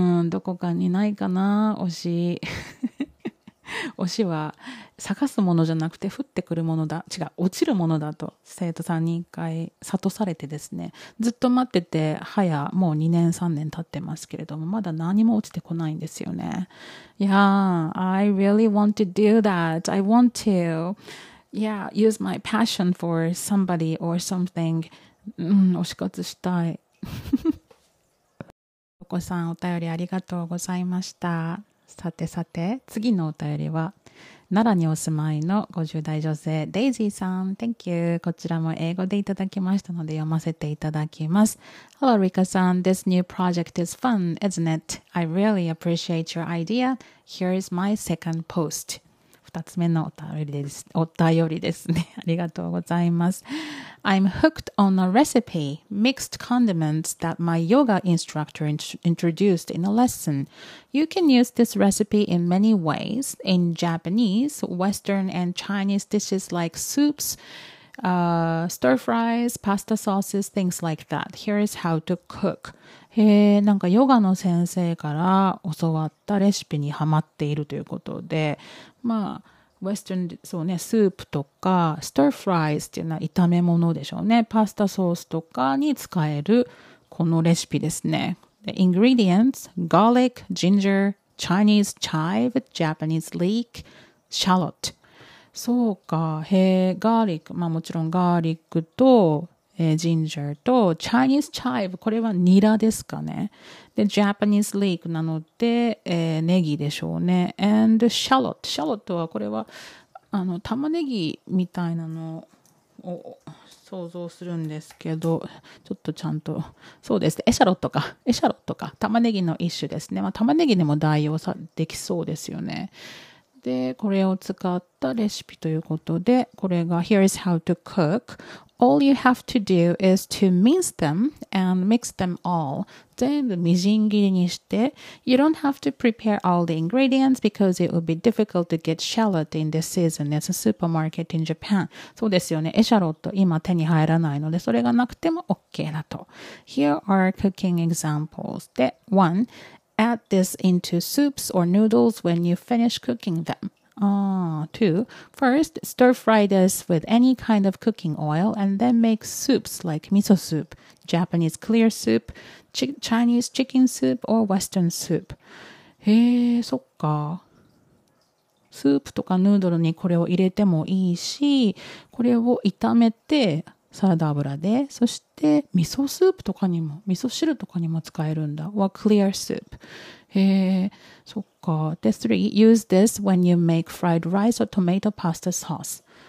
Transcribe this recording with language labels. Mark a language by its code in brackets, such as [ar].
[ja] どこかにないかな、推し。推しは探すものじゃなくて降ってくるものだ、違う、落ちるものだと生徒さんに一回諭されてですね、ずっと待ってて、早もう2年3年経ってますけれども、まだ何も落ちてこないんですよね。 [en] Yeah, I really want to do that. I want to yeah, use my passion for somebody or something. [ja] 推し活したい。お子さん、お便りありがとうございました。さてさて、次のお便りは奈良にお住まいの50代女性デイジーさん。 [en] Thank you. [ja] こちらも英語でいただきましたので読ませていただきます。 [en] Hello Rika san, this new project is fun, isn't it? I really appreciate your idea. Here's my second post. [ja] 2つ目のお便りですね。ありがとうございます。 [en] I'm hooked on a recipe, mixed condiments that my yoga instructor introduced in a lesson. You can use this recipe in many ways, in Japanese, Western and Chinese dishes like soups, stir fries, pasta sauces, things like that. Here is how to cook. [ja] へえ、なんかヨガの先生から教わったレシピにハマっているということで、まあ、ウェスターン、そうね、スープとか、ストーフライズっていうのは炒め物でしょうね。パスタソースとかに使えるこのレシピですね。 [en] The ingredients: garlic, ginger, Chinese chive, Japanese leek, shallot. [ja] そうか、へえ、ガーリック、まあもちろんガーリックと、ジンジャーと、Chinese chive、これはニラですかね。で、Japanese leek なので、ネギでしょうね。 [en] And shallot。 [ja] shallot はこれは、玉ねぎみたいなのを、想像するんですけど、ちょっとちゃんと、そうですね、エシャロットか、エシャロットか、玉ねぎの一種ですね。まあ、玉ねぎでも代用できそうですよね。で、これを使ったレシピということで、これが、 [en] Here is how to cook. All you have to do is to mince them and mix them all. [ja] 全部みじん切りにして、 [en] You don't have to prepare all the ingredients because it would be difficult to get shallot in this season. It's a supermarket in Japan. [ja] そうですよね。エシャロット今手に入らないので、それがなくても OK だと。 [en] Here are cooking examples. [ja] で、1. [en] Add this into soups or noodles when you finish cooking them. Two. First, stir fry this with any kind of cooking oil and then make soups like miso soup, Japanese clear soup, Chinese chicken soup, or Western soup. [ja] へえ、そっか。スープとかヌードルにこれを入れてもいいし、これを炒めてサラダ油で、そして味噌スープとかにも、味噌汁とかにも使えるんだ。は、clear soup。へえ、そっか。で、3、 [en] use this when you make fried rice or tomato pasta sauce。